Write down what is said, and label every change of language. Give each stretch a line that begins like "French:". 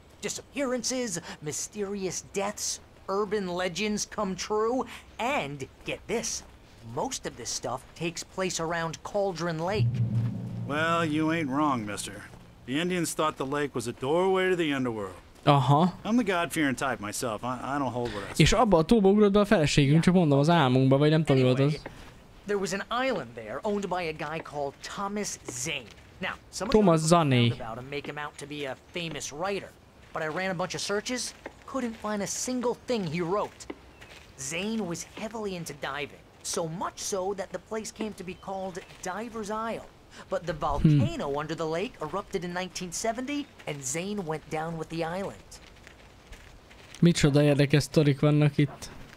English: Disappearances, mysterious deaths, urban legends come true, and get this. Most of this stuff takes place around Cauldron Lake. Well, you ain't wrong, mister. The Indians thought the lake was a doorway to the underworld. Aha. I'm the God-fearing type myself. I don't hold with us.
Hungarian: És abba a tóba ugrott be a feleségünk, csak mondom, az álmunkba, vagy nem tudom, mi volt az.
English: There was an island there owned by a guy called Thomas Zane. Now, some Thomas Zane. About him, make him out to be a famous writer. But I ran a bunch of searches, couldn't find a single thing he wrote. Zane was heavily into diving. So much so that the place came to be called Diver's Isle. But the volcano under the lake erupted in 1970, and Zane went down with the island.
Hungarian: Micsoda érdekes sztorik vannak itt.